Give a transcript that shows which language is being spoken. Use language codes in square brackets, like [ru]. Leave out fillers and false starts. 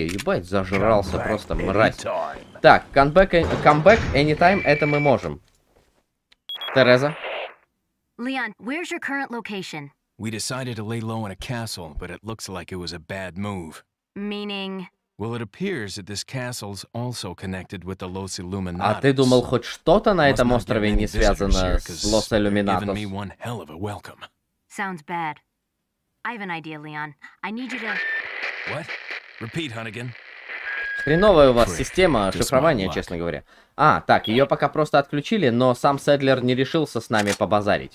[ru] Ебать, зажрался просто, мразь. Так, [en] comeback anytime, [ru] это мы можем. Тереза. Леон, где твоя [en] current location? We decided to lay low in a castle, but it looks like it was a bad move. Meaning? Well, it appears that this castle's also connected with the Los Illuminatus. [ru] А ты думал, хоть что-то на этом острове не связано с Лос Иллюминатус? [en] Giving me one hell of a welcome. Sounds bad. I have an idea, Leon. I need you to... What? Repeat, Hunnigan. [ru] Хреновая у вас система шифрования, честно говоря. А, так, ее пока просто отключили, но сам Седлер не решился с нами побазарить.